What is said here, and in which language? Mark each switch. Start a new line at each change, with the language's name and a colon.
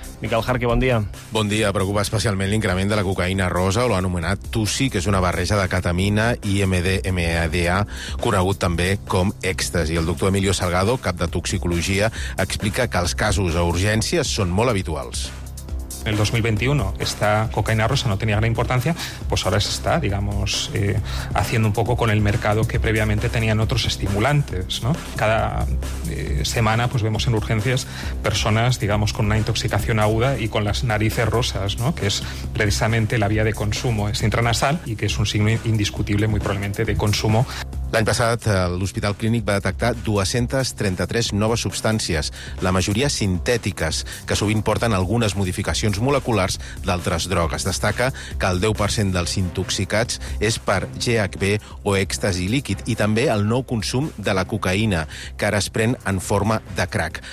Catalan: Miquel Jarque, bon dia. Bon dia. Preocupa especialment l'increment de la cocaïna rosa, o l'anomenat TUSI, que és una barreja de ketamina i MDMA, conegut també com èxtasi. El doctor Emilio Salgado, cap de toxicologia, explica que els casos a urgències són molt habituals.
Spanish: En el 2021 esta cocaína rosa no tenía gran importancia, pues ahora se está, digamos, haciendo un poco con el mercado que previamente tenían otros estimulantes, ¿no? Cada semana pues vemos en urgencias personas, digamos, con una intoxicación aguda y con las narices rosas, ¿no? Que es precisamente la vía de consumo, es intranasal y que es un signo indiscutible muy probablemente de consumo.
Catalan: L'any passat, l'Hospital Clínic va detectar 233 noves substàncies, la majoria sintètiques, que sovint porten algunes modificacions moleculars d'altres drogues. Destaca que el 10% dels intoxicats és per GHB o èxtasi líquid, i també el nou consum de la cocaïna, que ara es pren en forma de crack.